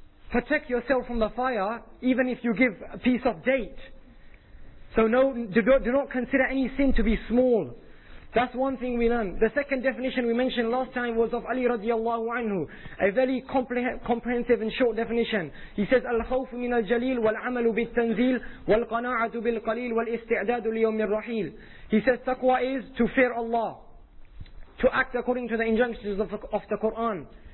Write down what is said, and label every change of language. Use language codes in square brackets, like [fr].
[en] Protect yourself from the fire, even if you give a piece of date. So do not consider any sin to be small. That's one thing we learn. The second definition we mentioned last time was of Ali radiallahu anhu. A very comprehensive and short definition. He says, [ar] الخوف من الجليل والعمل بالتنزيل والقناعة بالقليل والاستعداد ليوم الرحيل. [en] He says, taqwa is to fear Allah, to act according to the injunctions of the Quran.